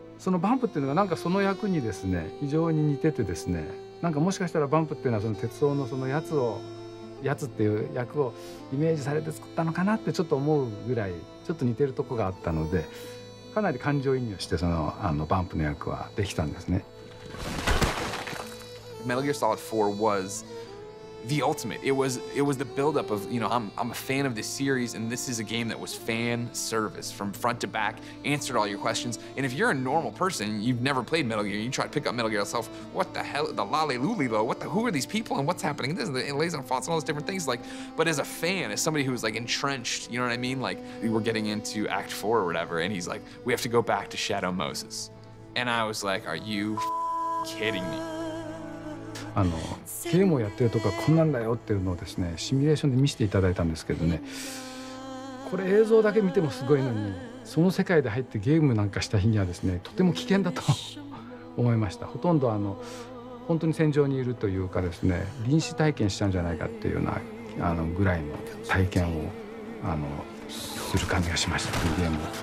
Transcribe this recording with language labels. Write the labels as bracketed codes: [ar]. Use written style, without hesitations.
[ja] そのバンプっていうのがなんかその役にですね非常に似ててですね、なんかもしかしたらバンプっていうのはその鉄道のそのやつっていう役をイメージされて作ったのかなってちょっと思うぐらいちょっと似てるとこがあったので、かなり感情移入してあのバンプの役はできたんですね。 [en] Metal Gear Solid 4 was the ultimate. It was the buildup of, you know, I'm a fan of this series, and this is a game that was fan service from front to back, answered all your questions. And if you're a normal person, you've never played Metal Gear, you try to pick up Metal Gear yourself, what the hell, the lolly lully though, who are these people and what's happening? This is the laser fonts and all those different things. Like, but as a fan, as somebody who was like entrenched, you know what I mean? Like, we were getting into Act 4 or whatever, and he's like, we have to go back to Shadow Moses. And I was like, are you kidding me? [ja] あのゲームをやってるとかこんなんだよっていうのをですねシミュレーションで見せていただいたんですけどね、これ映像だけ見てもすごいのに、その世界で入ってゲームなんかした日にはですねとても危険だと思いました。ほとんどあの本当に戦場にいるというかですね、臨死体験したんじゃないかっていうようなあのぐらいの体験をあのする感じがしました、このゲームを。